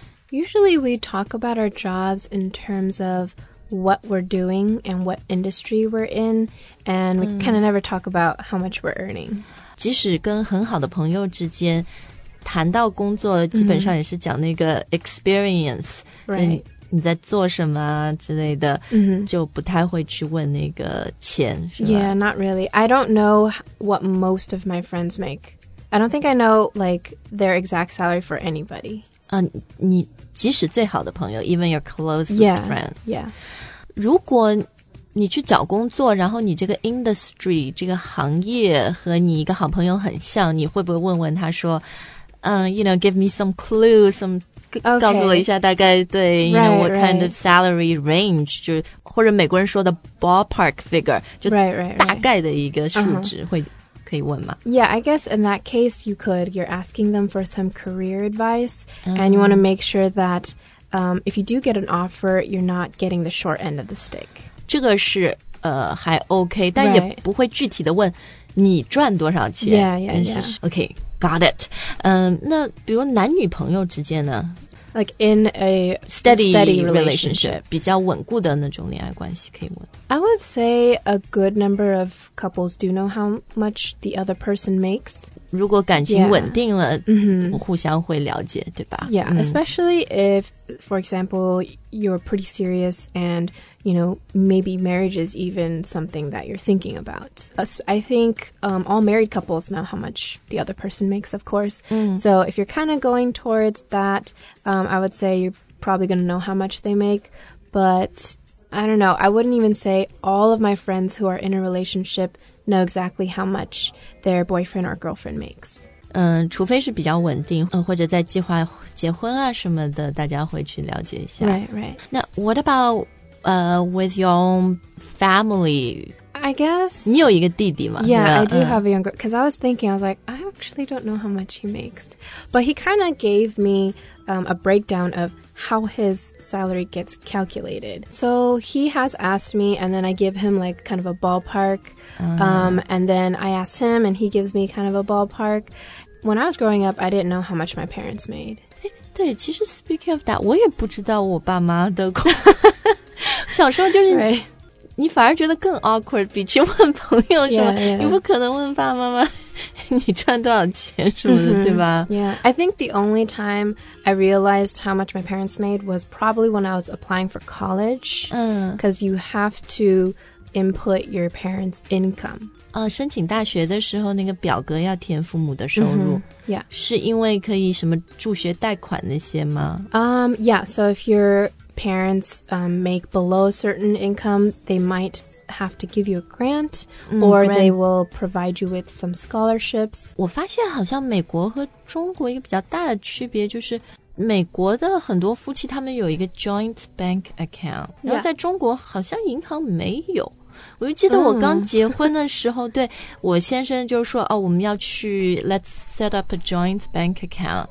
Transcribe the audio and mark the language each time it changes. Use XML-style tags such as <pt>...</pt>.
<en>Usually we talk about our jobs in terms of what we're doing and what industry we're in, and we kind of never talk about how much we're earning.</en> <zh>即使跟很好的朋友之间谈到工作基本上也是讲那个 experience,</zh> <en>right.</en> <zh>你在做什么之类的、就不太会去问那个钱是吧</zh> <en>Yeah, not really. I don't know what most of my friends make. I don't think I know like their exact salary for anybody.</en> <zh>你即使最好的朋友</zh> <en>even your closest friends yeah.</en> <zh>如果你去找工作然后你这个 industry 这个行业和你一个好朋友很像你会不会问问他说、</zh> <en>you know, give me some clue some、 okay.</en> <zh>告诉我一下大概对</zh> <en>right, you know, what right. kind of salary range</en> <zh>就或者美国人说的 ballpark figure 就大概的一个数值 会可以问吗?</zh> <en>Yeah, I guess in that case, you could. You're asking them for some career advice, and you want to make sure that if you do get an offer, you're not getting the short end of the stick.</en> <zh>这个是还 OK, 但也不会具体的问你赚多少钱。</zh> <en>Yeah. Okay, got it.</en> <zh>那比如男女朋友之间呢?</zh> <en>Like in a steady relationship.</en> <zh>比较稳固的那种恋爱关系可以问。</zh> <en>I would say a good number of couples do know how much the other person makes.</en> <zh>如果感情稳定了、</zh> <en>yeah.</en> <zh>互相会了解对吧</zh> <en>Yeah,、especially if, for example, you're pretty serious and, you know, maybe marriage is even something that you're thinking about. I think、all married couples know how much the other person makes, of course.、So if you're kind of going towards that,、I would say you're probably going to know how much they make, but... I don't know. I wouldn't even say all of my friends who are in a relationship know exactly how much their boyfriend or girlfriend makes.</en> <zh>除非是比较稳定，或者在计划结婚啊什么的，大家会去了解一下。</zh> <en>Right. Now, what about with your own family? I guess.</en> <zh>你有一个弟弟吗</zh> <en>Yeah, I do have a younger. Because I was thinking, I was like, I actually don't know how much he makes. But he kind of gave me a breakdown of. How his salary gets calculated. So he has asked me, and then I give him like kind of a ballpark. And then I ask him, and he gives me kind of a ballpark. When I was growing up, I didn't know how much my parents made.</en> <zh>对，其实</zh> <en>speaking of that,</en> <zh>我也不知道我爸妈的。小时候就是 你反而觉得更 awkward 比去问朋友什么，你不可能问爸妈妈你赚多少钱什么的、</zh> <en>mm-hmm.</en> <zh>对吧</zh> <en>Yeah, I think the only time I realized how much my parents made was probably when I was applying for college because、you have to input your parents' income、</en> <zh>申请大学的时候那个表格要填父母的收入、</zh> <en>mm-hmm. Yeah,</en> <zh>是因为可以什么助学贷款那些吗、</zh> <en>Yeah, so if your parents、make below a certain income, they mightHave to give you a grant, or they will provide you with some scholarships.</en> <zh>我发现好像美国和中国一个比较大的区别就是美国的很多夫妻他们有一个 joint bank account, 然后在中国好像银行没有。我就记得我刚结婚的时候、对我先生就说哦，我们要去</zh> <en>let's set up a joint bank account、</en>